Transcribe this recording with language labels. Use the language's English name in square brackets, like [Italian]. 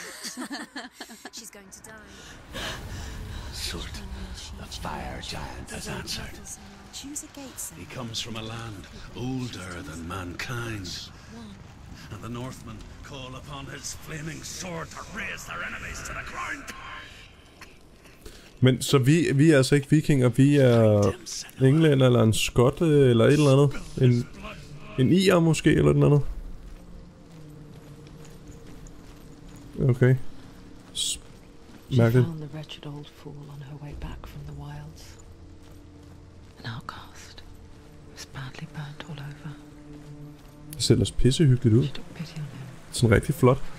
[English] it. She's going to die. Sort, the fire giant has answered. Choose a gate, sir. He comes from a land older than mankind. And the Northmen call upon his flaming sword to raise their enemies to the ground. [Danish] Men så vi er altså ikke vikinger, vi er englænder eller en skotte eller et eller andet. En ier måske eller noget andet. Okay. Mærkeligt. [English] The wretched old fool on her way back from the wilds. An outcast. Was badly burnt all over. [Danish] Det ser ellers pissehyggeligt ud. Sådan rigtig flot.